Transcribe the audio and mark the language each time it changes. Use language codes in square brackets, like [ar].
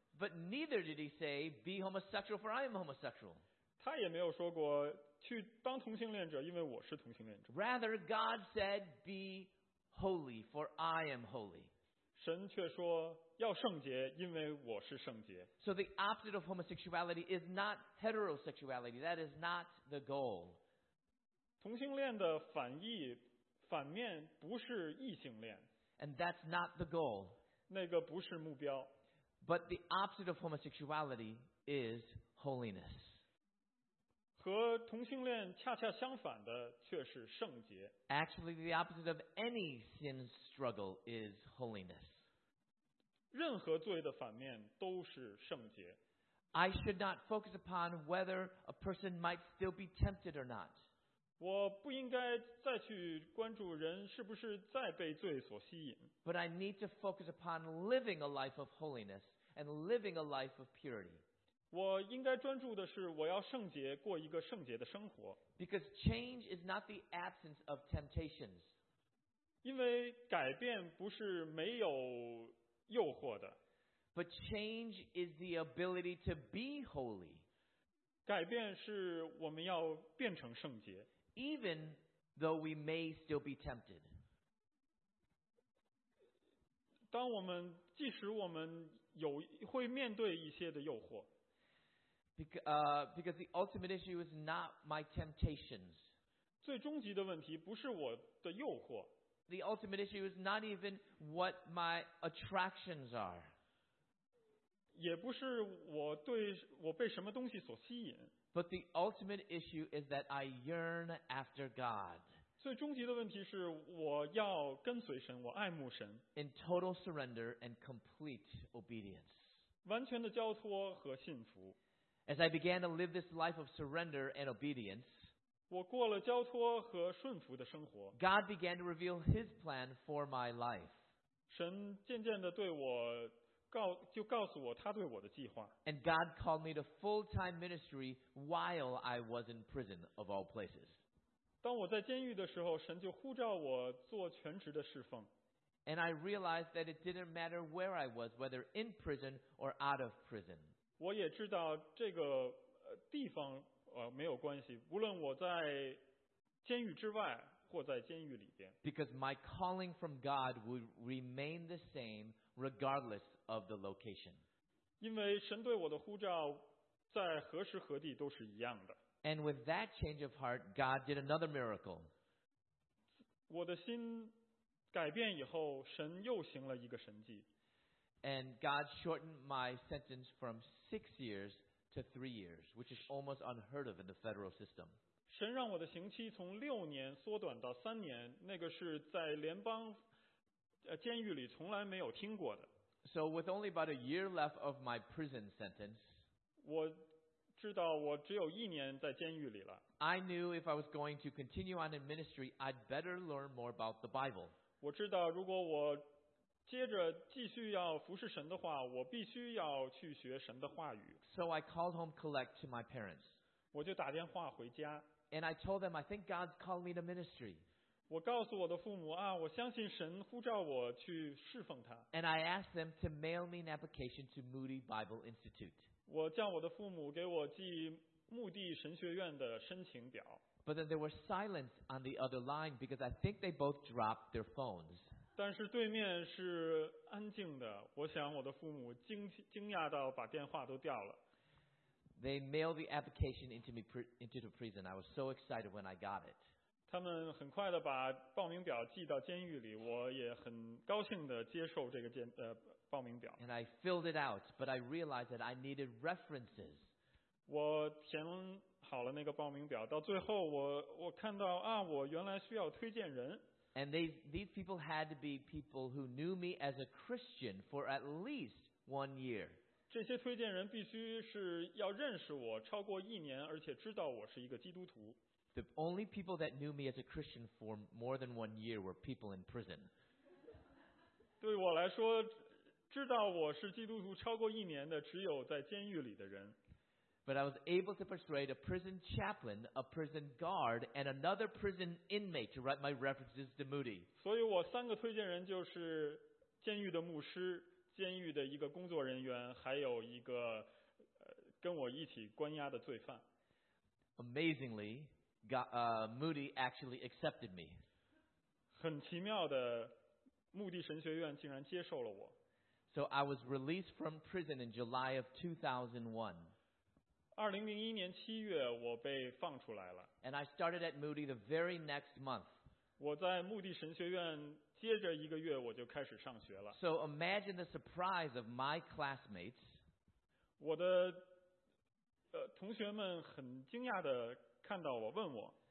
[en] But neither did He say, "Be homosexual, for I am homosexual." [zh] 他也没有说过去当同性恋者，因为我是同性恋者。 [en] Rather, God said, "Be holy, for I am holy." [zh] 神却说要圣洁，因为我是圣洁。 [en] So the opposite of homosexuality is not heterosexuality. That is not the goal. [zh] 同性恋的反面不是异性恋。 [en] And that's not the goal. [zh] 那个不是目标。 [en] But the opposite of homosexuality is holiness. [zh] 和同性恋恰恰相反的却是圣洁。 [en] Actually, the opposite of any sin struggle is holiness. [zh] 任何罪的反面都是圣洁。 [en] I should not focus upon whether a person might still be tempted or not. [zh] 我不应该再去关注人是不是再被罪所吸引。 [en] But I need to focus upon living a life of holiness and living a life of purity. [zh] 我应该专注的是我要圣洁，过一个圣洁的生活。 [en] Because change is not the absence of temptations. [zh] 因为改变不是没有诱惑的。 [en] But change is the ability to be holy. [zh] 改变是我们要变成圣洁。 [en] Even though we may still be tempted. [zh] 当我们即使我们有会面对一些的诱惑。 [en] Because the ultimate issue is not my temptations. [zh] 最终极的问题不是我的诱惑。 [en] The ultimate issue is not even what my attractions are. [zh] 也不是我被什么东西所吸引。 [en] But the ultimate issue is that I yearn after God. [zh] 最终极的问题是我要跟随神，我爱慕神。 [en] In total surrender and complete obedience. [zh] 完全的交托和信服。 [en] As I began to live this life of surrender and obedience, [zh] 我过了交托和顺服的生活。 [en] God began to reveal His plan for my life. [zh] 神渐渐地对我就告诉我他对我的计划。 [en] And God called me to full-time ministry while I was in prison, of all places. [zh] 当我在监狱的时候，神就呼召我做全职的侍奉。 [en] And I realized that it didn't matter where I was, whether in prison or out of prison. [zh] 我也知道这个地方没有关系，无论我在监狱之外或在监狱里边。 [en] Because my calling from God would remain the same regardless of the location. [zh] 因为神对我的呼召在何时何地都是一样的。 [en] And with that change of heart, God did another miracle. [zh] 我的心改变以后，神又行了一个神迹。 [en] And God shortened my sentence from 6 years. To 3 years, which is almost unheard of in the federal system. [zh] 神让我的刑期从六年缩短到三年，那个是在联邦监狱里从来没有听过的。 [en] So with only about a year left of my prison sentence, [zh] 我知道我只有一年在监狱里了。 [en] I knew if I was going to continue on in ministry, I'd better learn more about the Bible. [zh] 我知道如果我接着继续要服侍神的话，我必须要去学神的话语。 [en] So I called home collect to my parents. [zh] 我就打电话回家。 [en] And I told them, I think God's called me to ministry. [zh] 我告诉我的父母啊，我相信神呼召我去侍奉他。 [en] And I asked them to mail me an application to Moody Bible Institute. [zh] 我叫我的父母给我寄穆蒂神学院的申请表。 [en] But then there was silence on the other line because I think they both dropped their phones. [zh] 但是对面是安静的，我想我的父母 惊讶到把电话都掉了。 [en] They mailed the application into the prison. I was so excited when I got it. [zh] 他们很快的把报名表寄到监狱里，我也很高兴的接受这个报名表。 [en] And I filled it out, but I realized that I needed references. [zh] 我填好了那个报名表，到最后我看到啊，我原来需要推荐人。 [en] And these people had to be people who knew me as a Christian for at least 1 year. [zh] 这些推荐人必须是要认识我超过一年，而且知道我是一个基督徒。 [en] The only people that knew me as a Christian for more than 1 year were people in prison. [zh] 对我来说，知道我是基督徒超过一年的只有在监狱里的人。 [en] But I was able to persuade a prison chaplain, a prison guard, and another prison inmate to write my references to Moody. [zh] 所以我三个推荐人就是监狱的牧师、监狱的一个工作人员，还有一个跟我一起关押的罪犯。 [en] Amazingly, Moody actually accepted me. [zh] 很奇妙的，穆蒂神学院竟然接受了我。 [en] So I was released from prison in July of 2001. [zh] 2001年7月我被放出来了。 [en] And I started at Moody the very next month. [zh] 我在穆蒂神学院接着一个月我就开始上学了。 [en] So imagine the surprise of my classmates. [zh] 我的同学们很惊讶地看到我问我。